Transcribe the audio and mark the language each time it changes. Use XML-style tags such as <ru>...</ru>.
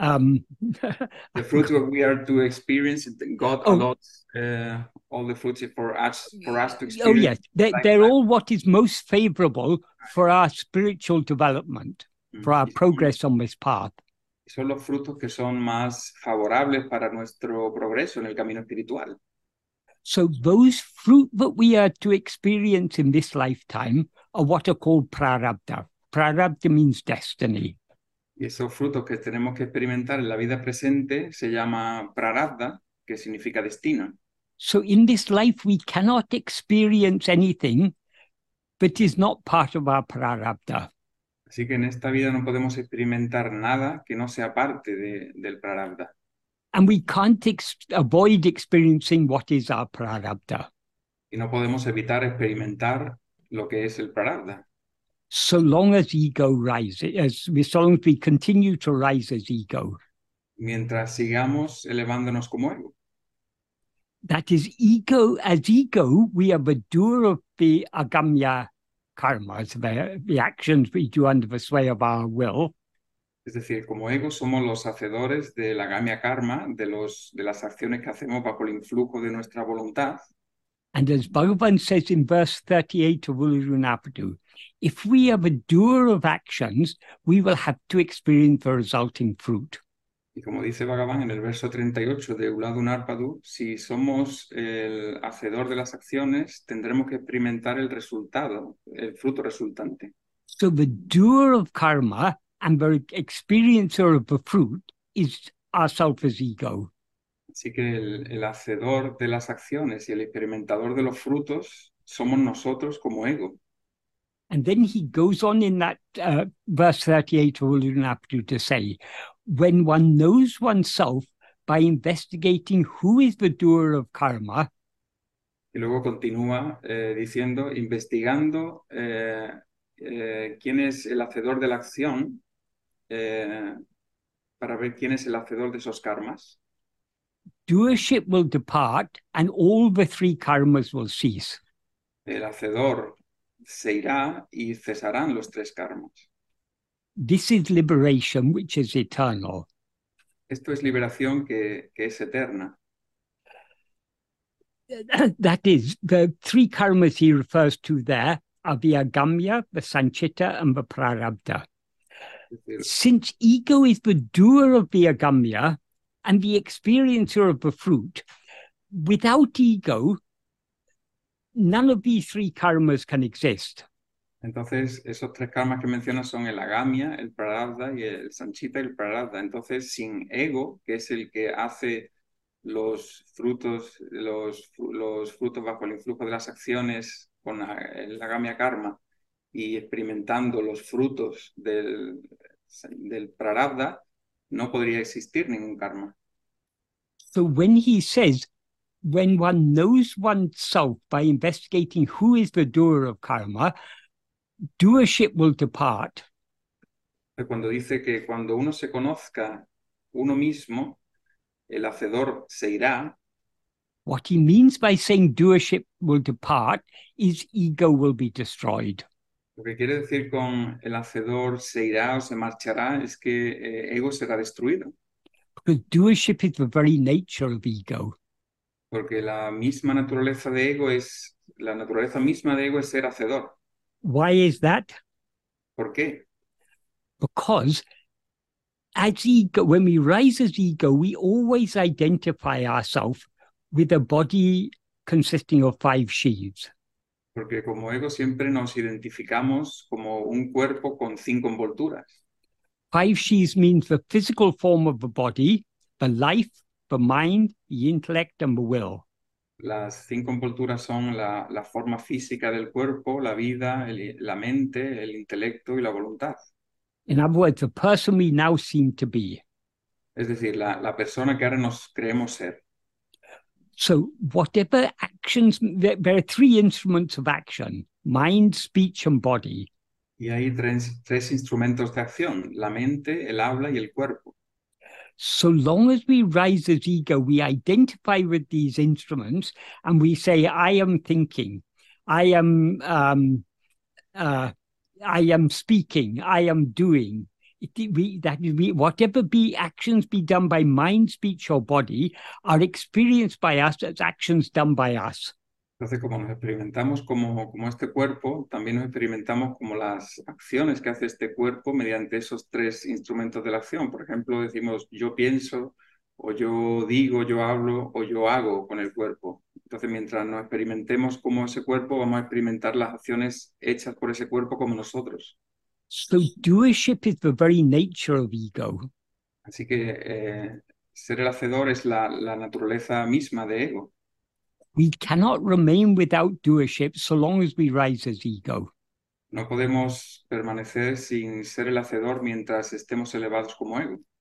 <en>The fruits that we are to experience, God allots all the fruits for us to experience. Oh, yes. They're all what is most favorable for our spiritual development, for our progress on this path.</en> <es>Son los frutos que son más favorables para nuestro progreso en el camino espiritual.</es> <en>So those fruit that we are to experience in this lifetime are what are called prarabdha. Prarabdha means destiny.</en> <es>Y esos frutos que tenemos que experimentar en la vida presente se llama prarabdha, que significa destino.</es> <en>So in this life we cannot experience anything that is not part of our prarabdha.</en> <es>Así que en esta vida no podemos experimentar nada que no sea parte del prarabdha.</es> <en>And we can't avoid experiencing what is our prarabdha.</en> <es>Y no podemos evitar experimentar lo que es el prarabdha.</es> <en>So long as ego rises, as long as we continue to rise as ego.</en> <es>Mientras sigamos elevándonos como ego.</es> <en>That is ego, as ego, we are the doer of the agamya karmas, the actions we do under the sway of our will.</en> <es>Es decir, como ego somos los hacedores de la agamya karma, de las acciones que hacemos bajo el influjo de nuestra voluntad.</es> <en>And as Bhagavan says in verse 38 of Ulurunapadu, if we are the doer of actions, we will have to experience the resulting fruit.</en> <es>Y como dice Bhagavan en el verso 38 de Ulurunapadu, si somos el hacedor de las acciones, tendremos que experimentar el resultado, el fruto resultante.</es> <en>So the doer of karma and the experiencer of the fruit is ourself as ego.</en> <es>Así que el hacedor de las acciones y el experimentador de los frutos somos nosotros como ego.</es> <en>And then he goes on in that verse 38 of Ulurunapadu to say, when one knows oneself by investigating who is the doer of karma.</en> <es>Y luego continúa diciendo, investigando quién es el hacedor de la acción para ver quién es el hacedor de esos karmas.</es> <en>Doership will depart and all the three karmas will cease.</en> <es>El hacedor se irá y cesarán los tres karmas.</es> <en>This is liberation which is eternal.</en> <es>Esto es liberación que es eterna.</es> <en>That is, the three karmas he refers to there are the agamya, the sanchitta, and the prarabdha. Since ego is the doer of the agamya and the experiencer of the fruit, without ego, none of these three karmas can exist.</en> <es>Entonces, esos tres karmas que mencionas son el agamya, el prarabdha, y el sanchitta y el prarabdha. Entonces, sin ego, que es el que hace los frutos bajo el influjo de las acciones con la gamya karma y experimentando los frutos del prarabdha, no podría existir ningún karma.</es> <en>So when he says, when one knows oneself by investigating who is the doer of karma, doership will depart.</en> <es>Cuando dice que cuando uno se conozca uno mismo, el hacedor se irá.</es> <en>What he means by saying doership will depart is ego will be destroyed.</en> <es>Lo que quiere decir con el hacedor se irá o se marchará es que ego será destruido.</es> <en>Because doership is the very nature of ego.</en> <es>Porque la misma naturaleza de ego es, la naturaleza misma de ego es ser hacedor.</es> <en>Why is that?</en> <es>¿Por qué?</es> <en>Because as ego, when we rise as ego, we always identify ourselves with a body consisting of five sheaths.</en> <es>Porque como ego siempre nos identificamos como un cuerpo con cinco envolturas.</es> <en>Five sheaths means the physical form of the body, the life, the mind, the intellect, and the will.</en> <es>Las cinco envolturas son la forma física del cuerpo, la vida, la mente, el intelecto y la voluntad.</es> <en>In other words, the person we now seem to be.</en> <es>Es decir, la persona que ahora nos creemos ser.</es> <en>So whatever actions, there are three instruments of action, mind, speech, and body.</en> <es>Y hay tres instrumentos de acción, la mente, el habla y el cuerpo.</es> <en>So long as we rise as ego, we identify with these instruments and we say, I am thinking, I am speaking, I am doing. Whatever be actions be done by mind, speech or body are experienced by us as actions done by us.</en> <es>Entonces, como nos experimentamos como este cuerpo, también nos experimentamos como las acciones que hace este cuerpo mediante esos tres instrumentos de la acción. Por ejemplo, decimos yo pienso, o yo digo, yo hablo, o yo hago con el cuerpo. Entonces, mientras nos experimentemos como ese cuerpo, vamos a experimentar las acciones hechas por ese cuerpo como nosotros.</es> <en>So doership is the very nature of ego.</en> <es>Así que ser el hacedor es la naturaleza misma de ego.</es> <en>We cannot remain without doership so long as we rise as ego.</en> <es>No podemos permanecer sin ser el hacedor mientras estemos elevados como ego.</es>